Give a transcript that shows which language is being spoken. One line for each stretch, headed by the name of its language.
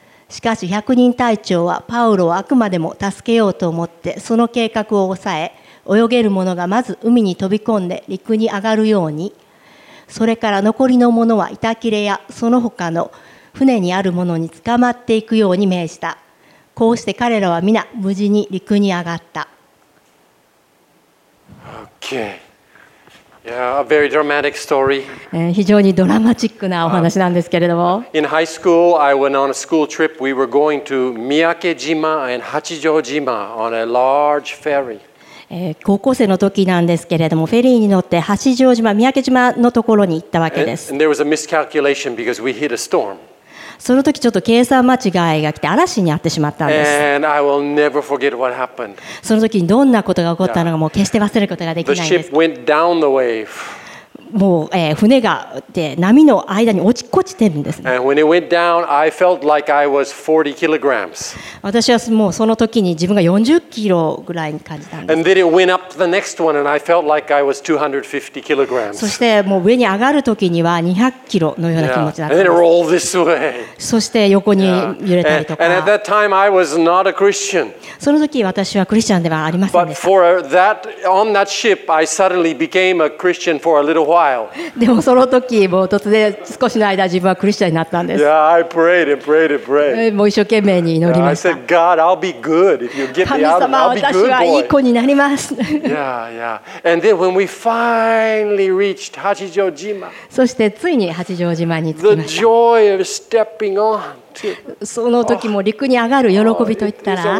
Japanese: しかし百人隊長はパウロをあくまでも助けようと思ってその計画を抑え、泳げる者がまず海に飛び込んで陸に上がるように、それから残りの者は板切れやその他の船にあるものに捕まっていくように命じた。こうして彼らは皆無事に陸に上がった。
English: Okay. Yeah, a very dramatic story.
Japanese: 非常にドラマチックなお話なんですけれども。
English: In high school, I went on a school trip. We were going to 三宅島 and 八丈島 on a large ferry.
Japanese: 高校生の時なんですけれども、フェリーに乗って八丈島、三宅島のところに行ったわけです。
English: And there was a miscalculation because we hit a storm.
Japanese: その時ちょっと計算間違いが来て嵐に遭ってしまったんです。
English: And I will never forget what happened.
Japanese: その時にどんなことが起こったのかもう決して忘れることができないんです。
English: The ship went down the wave.
Japanese: もう、船がで波の間に落ちてるんですね。
English: And when it went down, I felt like I was 40 kilograms.
Japanese: 私はもうその時に自分が40キロぐらいに感じたんです。
English: And then it went up the next one and I felt like I was 250 kilograms.
Japanese: そしてもう上に上がる時には200キロのような気持ちだったんです。
English: And then it rolled this way.
Japanese: そして横に揺れたりとか。
English: And at that time I was not a Christian.
Japanese: その時私はクリスチャンではありませんでした。
English: But for that, on that ship, I suddenly became a Christian for a little while
Japanese: でもその時もう突然少しの間自分はクリスチャンになったんです。
English: Yeah, I prayed and prayed and prayed.
Japanese: もう一生懸命に祈りました。
English: Yeah, I said, God, I'll be good if you get me out. I'll be good boy.
Japanese: 神様、私はいい子になります。
English: Yeah, yeah. And then when we finally reached 八丈島、
Japanese: そしてついに八丈島に着きました。
English: The joy of stepping on.
Japanese: その時も陸に上がる喜びといったら、